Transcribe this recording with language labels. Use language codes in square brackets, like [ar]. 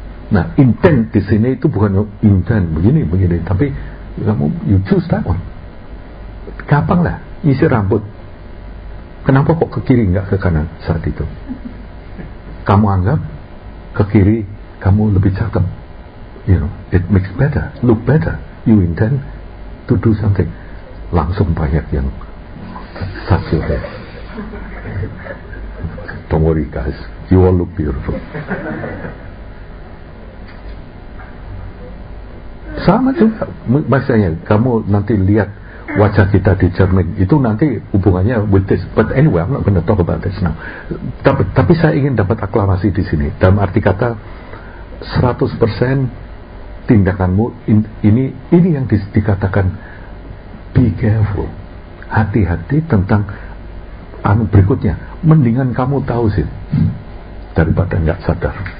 [id] Nah, intent di sini itu bukan intent begini, tapi kamu [en] you choose that one. [id] Gampang lah, isi rambut. Kenapa kok ke kiri enggak ke kanan saat itu? Kamu anggap ke kiri kamu lebih cakep. [en] You know, it makes better, look better. You intend to do something. [id] Langsung banyak yang saksi. [en] Don't worry, guys. You all look beautiful. [id] Sama juga. Maksudnya, kamu nanti lihat wajah kita di cermin. Itu nanti hubungannya [en] with this. But anyway, I'm not going to talk about this now. [id] Tapi saya ingin dapat aklamasi di sini. Dalam arti kata, 100% tindakanmu, ini yang dikatakan, [en] be careful. [id] Hati-hati tentang anu berikutnya. Mendingan kamu tahu sih daripada enggak sadar.